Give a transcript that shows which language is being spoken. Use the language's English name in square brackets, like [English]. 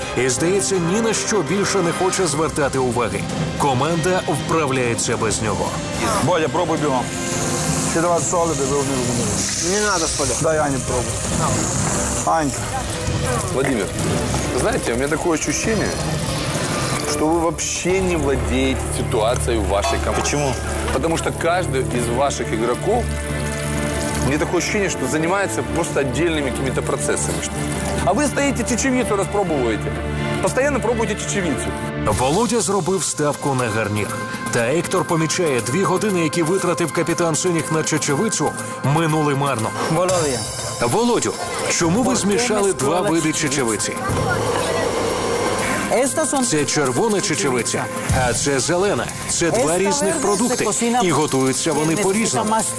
[Ukrainian] І, здається, ні на що більше не хоче звертати уваги. Команда вправляється без нього. Боря, пробуй бігом. Ще 20 солі, де ви не треба, Споля. Дай Ані пробуй. Анька. Владимир, знаєте, у мене таке відчуття, що ви взагалі не володієте ситуацією в вашій команді. Чому? Тому що кожен із ваших ігроків [Russian] мне такое ощущение, что занимается просто отдельными какими-то процессами. А вы стоите чечевицу распробовываете. Постоянно пробуете чечевицу. [Ukrainian] Володя зробив ставку на гарнір. Та Ектор помічає, 2 години, які витратив капітан синіх на чечевицю, минули марно. Володя. Володю, чому ви змішали 2 види чечевиці? Це червона чечевиця, а це зелена. Це 2 різних продукти, і готуються вони по-різному.